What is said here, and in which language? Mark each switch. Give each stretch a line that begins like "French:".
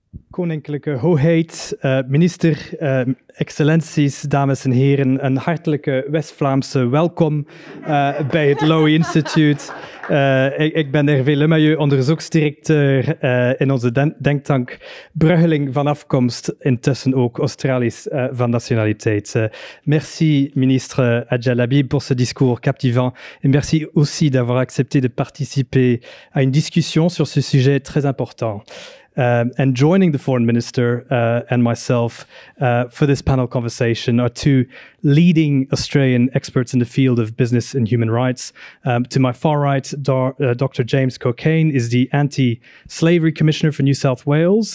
Dutch: Koninklijke Hoogheid, minister, excellenties, dames en heren, een hartelijke West-Vlaamse welkom bij het Lowy Institute. Ik ben Hervé Lemahieu, onderzoeksdirecteur in onze denktank Bruggeling van afkomst, intussen ook Australisch van nationaliteit.
French: Merci, ministre Hadja Lahbib, pour ce discours captivant. Et merci aussi d'avoir accepté de participer à une discussion sur ce sujet très important.
English: And joining the foreign minister and myself for this panel conversation are two leading Australian experts in the field of business and human rights. To my far right, Dr. James Cockayne is the anti-slavery commissioner for New South Wales.